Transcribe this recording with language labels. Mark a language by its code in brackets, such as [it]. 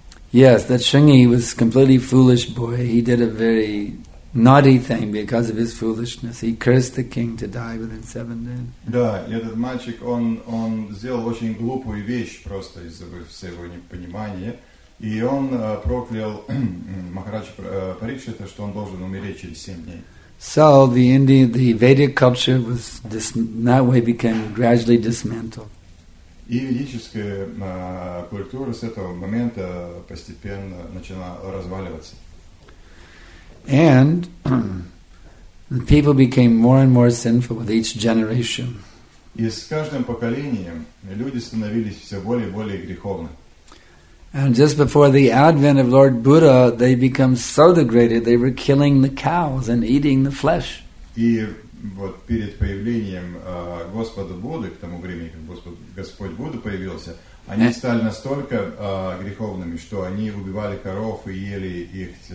[en] So, that Sringi was a completely foolish boy. He did a very naughty thing because of his foolishness. He cursed the king to die within 7 days. [ru] Да, этот мальчик, он сделал очень глупую вещь просто из-за своего непонимания. И он проклял Махараджа Парикшита, что он должен умереть через 7 дней. [en] So the Vedic culture was that way became gradually dismantled. [ru] И ведическая культура с этого момента постепенно начала разваливаться. [en] And the people became more and more sinful with each generation. [ru] И с каждым поколением люди становились все более и более греховны. [en] And just before the advent of Lord Buddha, they become so degraded they were killing the cows and eating the flesh. [ru] И вот перед появлением Господа Будды, к тому времени, как Господь Будда появился, они стали настолько греховными, что они убивали коров и ели их.